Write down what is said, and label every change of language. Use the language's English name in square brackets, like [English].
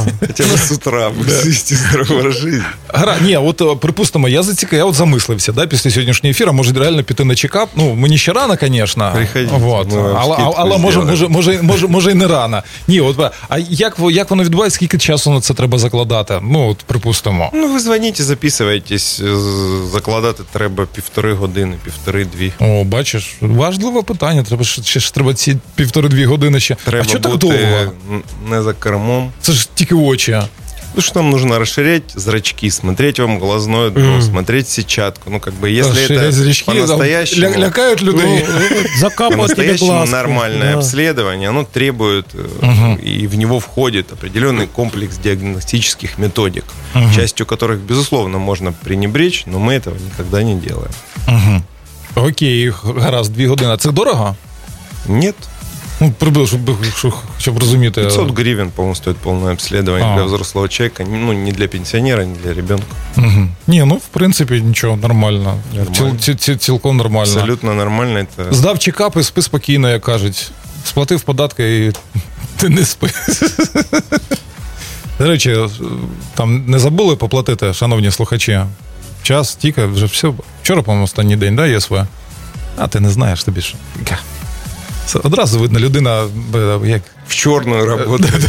[Russian] Хотя бы с утра вести здоровый образ жизни. [Ukrainian] Гра, не, вот, припустимо, я вот замислився, да, після сьогоднішнього ефіру, може реально піти на чекап. Ну, мені ще рано, конечно. [Russian] Приходите. [Ukrainian] Вот. Але може і не рано. Ні, от, а як воно відбувається, скільки часу на це треба закладати? Ну, от, припустимо. Ну, ви дзвоніть, записуєтесь, закладати треба півтори години, півтори-дві. О, бачиш, важливе питання, треба ще треба ці півтори-дві години ще. Треба, а що так довго? Не за кермом. Це ж тільки очі. [Russian] Ну, что нам нужно расширять зрачки, смотреть вам глазное дно, смотреть сетчатку. Ну, как бы, если расширять это зрачки, по-настоящему... Там, [Ukrainian] лякают людей. [Russian] По-настоящему нормальное обследование, оно требует, и в него входит определенный комплекс диагностических методик, частью которых, безусловно, можно пренебречь, но мы этого никогда не делаем. [Ukrainian] Окей, гаразд, 2 години. А це дорого? [Russian] Нет. Ну, прибыл, чтобы разуметь. 500 гривен, по-моему, стоит полное обследование для взрослого человека. Ну, не для пенсионера, не для ребенка. Угу. Не, ну, в принципе, ничего, нормально. [Ukrainian] Цілком нормально. [Russian] Абсолютно нормально. Это... [Ukrainian] Сдав чекап и спи спокойно, як кажуть. Сплатив податки и ты не спи. До речі, там не забули поплатити, шановні слухачі? Час, тільки, вже все. Вчора, по-моему, останній день, да, ЄСВ? А ти не знаєш, ти більше. Одразу видно, людина як... в чорну роботу.